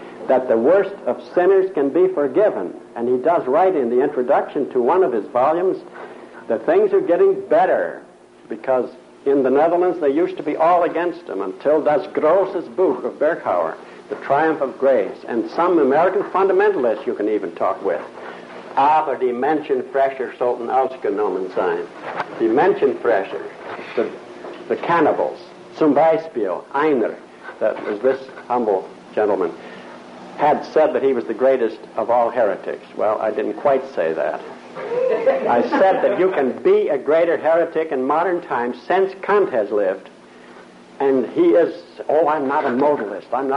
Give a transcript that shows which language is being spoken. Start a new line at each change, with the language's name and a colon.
English: That the worst of sinners can be forgiven. And he does write in the introduction to one of his volumes that things are getting better, because in the Netherlands they used to be all against him until Das Grosses Buch of Berghauer, The Triumph of Grace, and some American fundamentalists you can even talk with.
German: Aber die Menschenfresser sollten ausgenommen sein.
English: The Menschenfresser, the cannibals,
German: zum Beispiel, einer,
English: that was this humble gentleman, had said that he was the greatest of all heretics. Well, I didn't quite say that. I said that you can be a greater heretic in modern times since Kant has lived, and he is, I'm not a modalist.